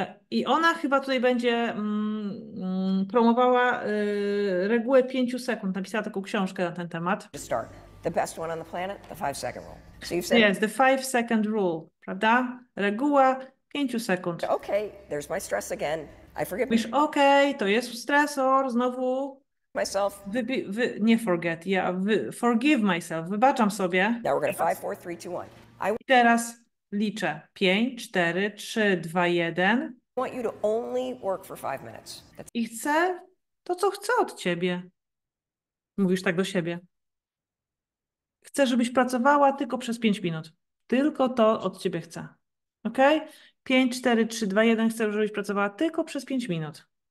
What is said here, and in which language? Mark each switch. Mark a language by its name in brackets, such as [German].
[Polish] I ona chyba tutaj będzie promowała regułę 5 sekund. Napisała taką książkę na ten temat. [English] The best one on the planet, the 5 second rule. So you've said, yes, the 5 second rule, prawda? [Polish] Reguła 5 sekund. [English] Okay, there's my stress again. I forget. [Polish] Myślisz, okay, to jest stresor, znowu. [English] Myself. [Polish] Nie [English] forget, [Polish] ja [English] forgive myself, [Polish] wybaczam sobie. [English] Now we're gonna 5, 4, 3, 2, 1. [Polish] I teraz liczę 5, 4, 3, 2, 1. I want you to only work for 5 minutes. I chcę to, co chcę od ciebie. Mówisz tak do siebie. Chcę, żebyś pracowała tylko przez 5 minut. Tylko to od ciebie chcę. Ok? 5, 4, 3, 2, 1. Chcę, żebyś pracowała tylko przez 5 minut.